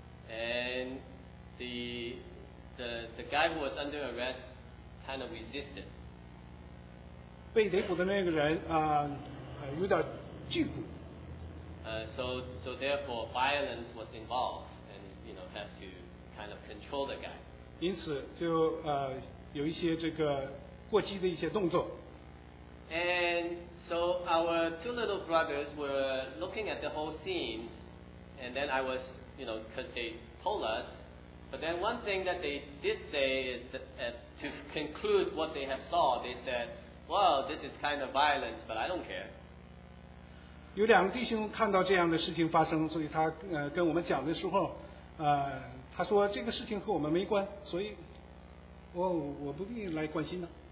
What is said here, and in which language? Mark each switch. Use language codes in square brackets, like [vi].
[en] And the guy who was under arrest kind of resisted. [zh] 被逮捕的那个人有点拒捕。 [en] So therefore violence was involved, and you know has to kind of control the guy. [zh] 因此就有一些这个过激的一些动作。 [en] And so our two little brothers were looking at the whole scene. And then I was, you know, because they told us. But then one thing that they did say is that to conclude what they have saw, they said, well, this is kind of violence, but I don't care. [zh] 有两个弟兄看到这样的事情发生，所以他跟我们讲的时候，他说这个事情和我们没关，所以我不必来关心了。